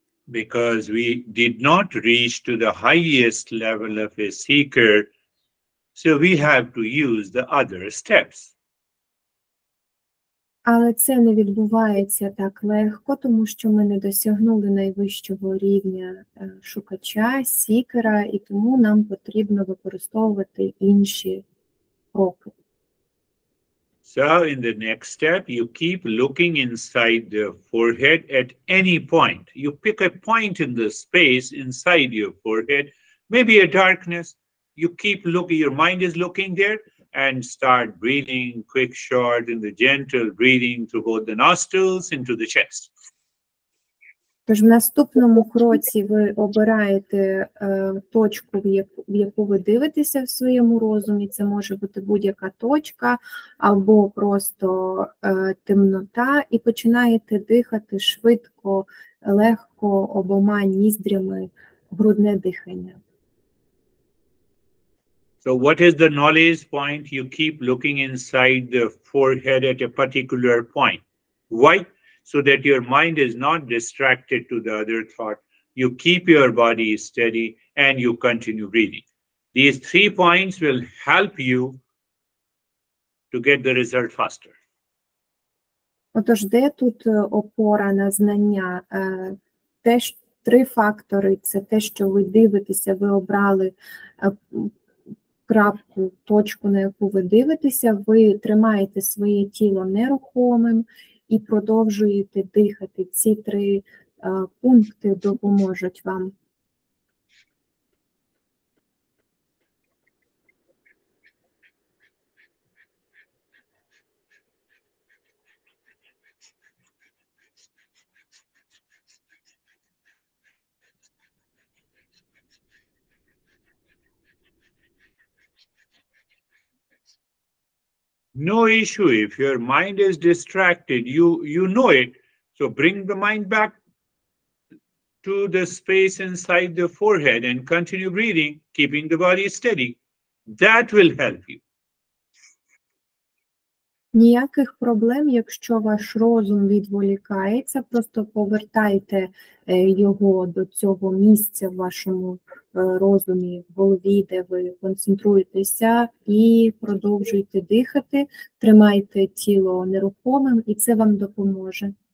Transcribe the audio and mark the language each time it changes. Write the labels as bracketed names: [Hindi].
[English] Because we did not reach to the highest level of a seeker, so we have to use the other steps. [Ukrainian] Але це не відбувається так легко, тому що ми не досягнули найвищого рівня шукача, сікера, і тому нам потрібно використовувати інші кроки. [English] So in the next step, you keep looking inside the forehead at any point. You pick a point in the space inside your forehead, maybe a darkness. You keep looking, your mind is looking there, and start breathing quick, short, in the gentle breathing through both the nostrils into the chest. [Ukrainian] Тож в наступному кроці ви обираєте точку, в яку ви дивитеся в своєму розумі. Це може бути будь-яка точка або просто темнота. І починаєте дихати швидко, легко, обома ніздрями, грудне дихання. [English] So what is the knowledge point? You keep looking inside the forehead at a particular point. Why? So that your mind is not distracted to the other thought. You keep your body steady and you continue breathing. These three points will help you to get the result faster. [Ukrainian] Отож, де тут опора на знання? Теж три фактори. Це те, що ви дивитеся, ви обрали крапку, точку, на яку ви дивитеся. Ви тримаєте своє тіло нерухомим. І продовжуєте дихати. Ці три пункти допоможуть вам. [English] No issue. If your mind is distracted, you know it. So bring the mind back to the space inside the forehead and continue breathing, keeping the body steady. That will help you. [Ukrainian] Ніяких проблем, якщо ваш розум відволікається, просто повертайте його до цього місця в вашому розумі, в голові, де ви концентруєтеся, і продовжуйте дихати, тримайте тіло нерухомим, і це вам допоможе.